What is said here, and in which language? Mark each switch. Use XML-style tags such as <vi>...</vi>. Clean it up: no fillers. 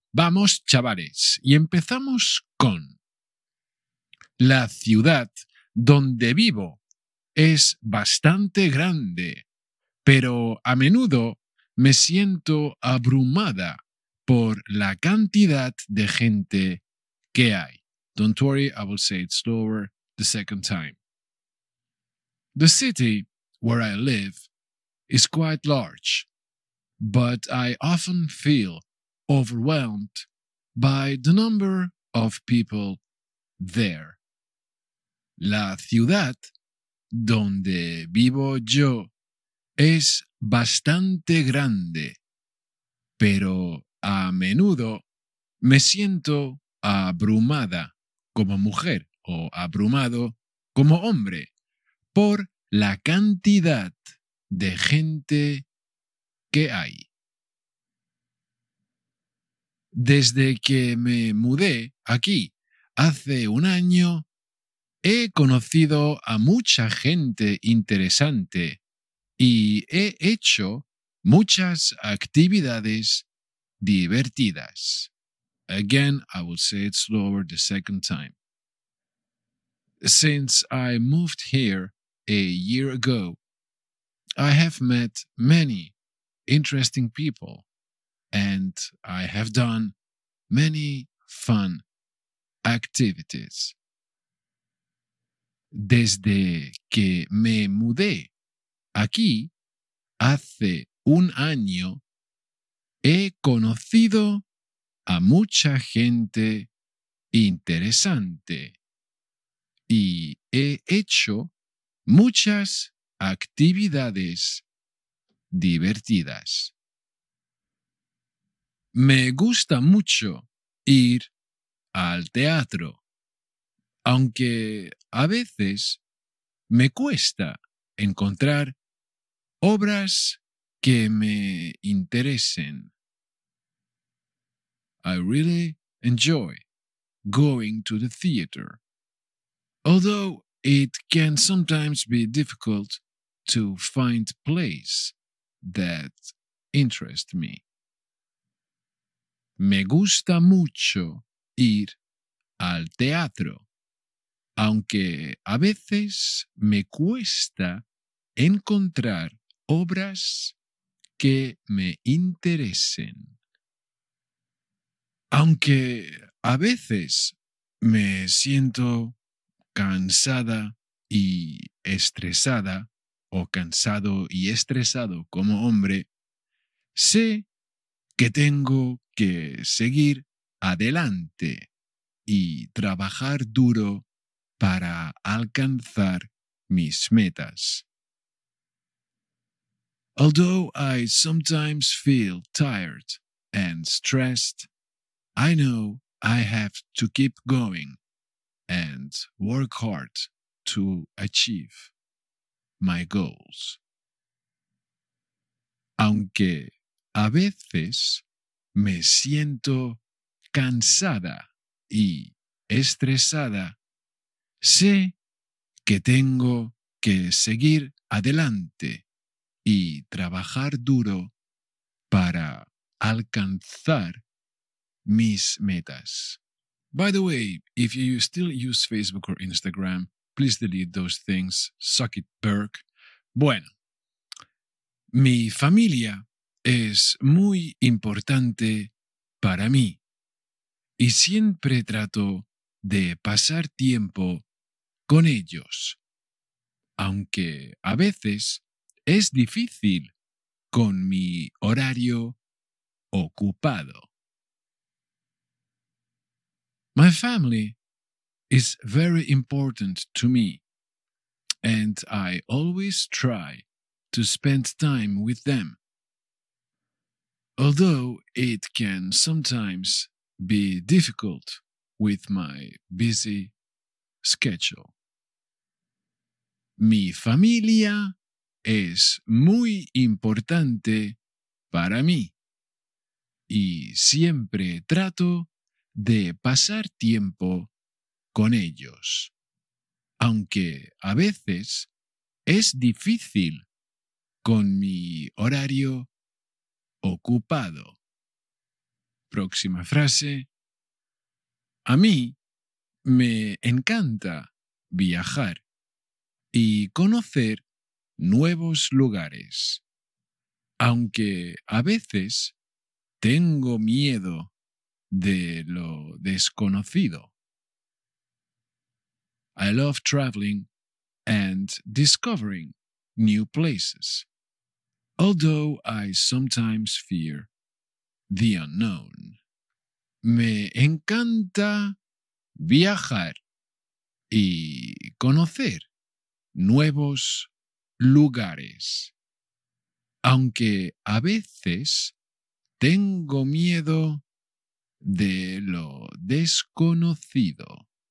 <es>Vamos, chavales, y empezamos con: la ciudad donde vivo es bastante grande, pero a menudo me siento abrumada por la cantidad de gente que hay.</es> <en>Don't worry, I will say it slower the second time. The city where I live is quite large, but I often feel overwhelmed by the number of people there.</en> <es>La ciudad donde vivo yo es bastante grande, pero a menudo me siento abrumada como mujer o abrumado como hombre por la cantidad de gente que hay. Desde que me mudé aquí hace un año, he conocido a mucha gente interesante y he hecho muchas actividades divertidas.</es> <en>Again, I will say it slower the second time. Since I moved here a year ago, I have met many interesting people and I have done many fun activities.</en> <es>Desde que me mudé aquí hace un año, he conocido a mucha gente interesante y he hecho muchas actividades divertidas. Me gusta mucho ir al teatro, aunque a veces me cuesta encontrar obras que me interesen.</es> <en>I really enjoy going to the theater, although it can sometimes be difficult to find plays that interest me.</en> <es>Me gusta mucho ir al teatro, aunque a veces me cuesta encontrar obras que me interesen. Aunque a veces me siento cansada y estresada, o cansado y estresado como hombre, sé que tengo que seguir adelante y trabajar duro para alcanzar mis metas.</es> <en>Although I sometimes feel tired and stressed, I know I have to keep going and work hard to achieve my goals.</en> <es>Aunque a veces me siento cansada y estresada, sé que tengo que seguir adelante y trabajar duro para alcanzar mis metas.</es> <en>By the way, if you still use Facebook or Instagram, please delete those things. Suck it, Berk.</en> <es>Bueno, mi familia es muy importante para mí y siempre trato de pasar tiempo con ellos, aunque a veces es difícil con mi horario ocupado.</es> <en>My family is very important to me, and I always try to spend time with them, although it can sometimes be difficult with my busy schedule.</en> <es>Mi familia es muy importante para mí, y siempre trato de pasar tiempo con ellos, aunque a veces es difícil con mi horario ocupado. Próxima frase. A mí me encanta viajar y conocer nuevos lugares, aunque a veces tengo miedo de lo desconocido.</es> <en>I love traveling and discovering new places, although I sometimes fear the unknown.</en> <es>Me encanta viajar y conocer nuevos lugares, aunque a veces tengo miedo de lo desconocido.</es>